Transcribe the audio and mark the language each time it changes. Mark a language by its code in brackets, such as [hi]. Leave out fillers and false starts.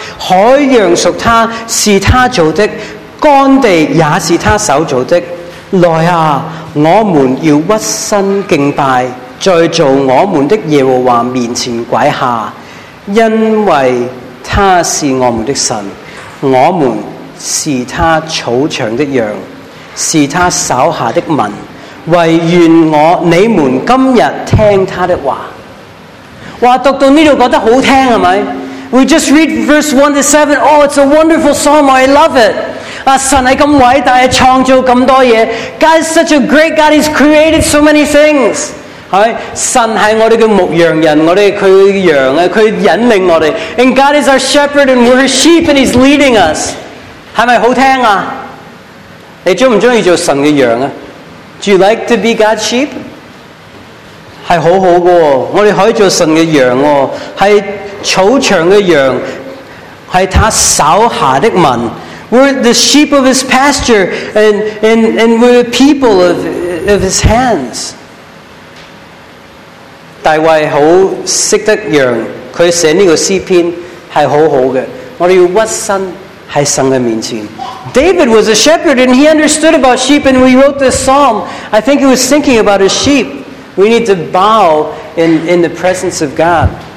[yue] 海洋屬他，是他造的，乾地也是他手造的。來啊，我們要屈身敬拜，再做我們的耶和華面前跪下，因為他是我們的神，我們是他草場的羊，是他手下的民。唯願你們今日聽他的話。哇，讀到這裡覺得好聽，是不是？ [en] We just read verse 1 to 7. Oh, it's a wonderful psalm. I love it. [yue] 神是這麼偉大，創造這麼多東西。 [en] God is such a great God. He's created so many things. [yue] 神是我們的牧羊人，我們是祂的羊，祂引領我們。 [en] And God is our shepherd, and we're his sheep, and he's leading us. [yue] 是不是好聽啊？你喜不喜歡做神的羊啊？ [en] Do you like to be God's sheep? [yue] 是好好的，我们可以做神的羊，是草场的羊，是他手下的民。 [en] We're the sheep of his pasture, and we're the people of his hands. [yue] 大卫好识得羊，他写这个诗篇是好好的。我们要屈身在神的面前。 [en] David was a shepherd and he understood about sheep, and when he wrote this psalm, I think he was thinking about his sheep. We need to bow in the presence of God.